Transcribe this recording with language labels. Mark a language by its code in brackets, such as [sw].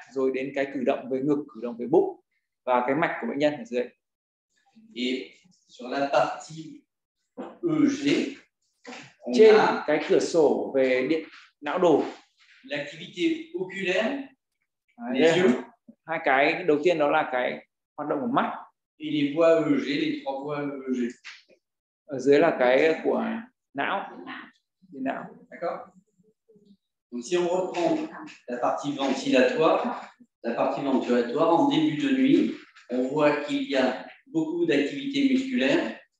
[vi] Rồi đến cái cử động về ngực, cử động về bụng. Và cái mạch của bệnh nhân ở dưới. [fr] Et sur la partie EEG, [vi] trên cái cửa sổ về điện não đồ, [fr] l'activité oculaire, les yeux, [vi] hai cái đầu tiên đó là cái hoạt động của mắt, [fr] et les voies EEG, les trois voies EEG, [vi] ở dưới là cái của não, điện não. [fr] D'accord. Donc si on reprend la partie ventilatoire, en début de nuit, on voit qu'il y a beaucoup d'activité musculaire.